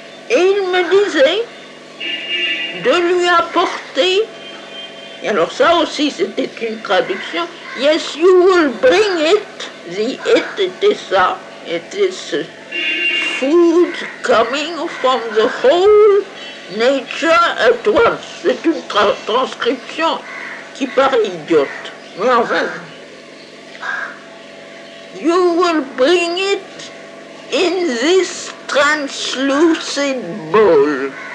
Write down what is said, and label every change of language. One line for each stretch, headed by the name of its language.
French: Et il me disait de lui apporter, et alors ça aussi c'était une traduction,
English: yes, you will bring it, the it
French: était ça, était ce.
English: Food coming from the whole nature at once.
French: C'est une transcription qui paraît idiote. Mais enfin,
English: you will bring it in this translucent bowl.